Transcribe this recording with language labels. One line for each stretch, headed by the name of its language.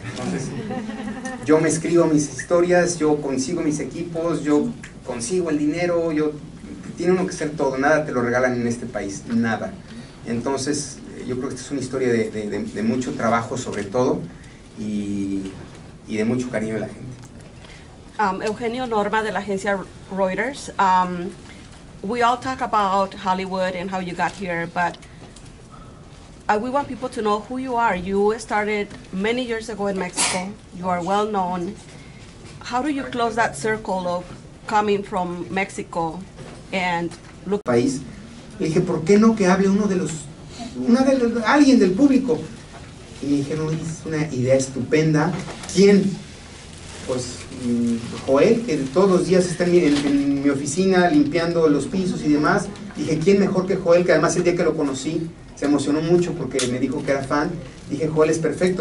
Spanish: Entonces, yo me escribo mis historias, yo consigo mis equipos, yo consigo el dinero, yo... Tiene uno que ser todo, nada te lo regalan en este país, nada. Entonces, yo creo que esta es una historia de mucho trabajo, sobre todo, y de mucho cariño de la gente. Eugenio Norma, de la agencia Reuters.
English: We all talk about Hollywood and how you got here, but we want people to know who you are. You started many years ago in Mexico. You are well known. How do you close that circle of coming from Mexico and look?
Spanish: País. Le dije, ¿por qué no que hable uno de los, una de los, alguien del público? Y me dijeron, es una idea estupenda. ¿Quién? Pues Joel, que todos los días está en mi oficina limpiando los pisos y demás. Dije, ¿quién mejor que Joel? Que además el día que lo conocí se emocionó mucho porque me dijo que era fan. Dije, Joel es perfecto.